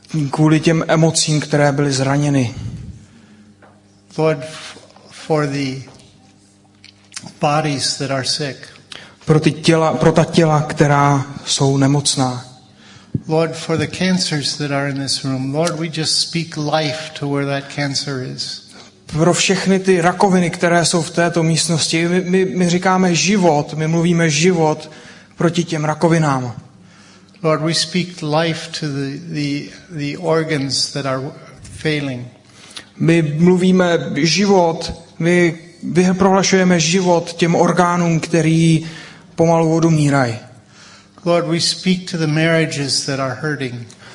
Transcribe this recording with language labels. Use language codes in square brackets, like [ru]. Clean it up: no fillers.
[cs] Kvůli těm emocím, které byly zraněny. [en] Lord, for the bodies that are sick. [cs] Pro ta těla, která jsou nemocná. [en] Lord, for the cancers that are in this room. Lord, we just speak life to where that cancer is. [cs] Pro všechny ty rakoviny, které jsou v této místnosti, my říkáme život, my mluvíme život proti těm rakovinám. [en] Lord, we speak life to the organs that are failing. [cs] My mluvíme život, my prohlašujeme život těm orgánům, který pomalu odumírají. [en] Lord, we speak to the marriages that are hurting.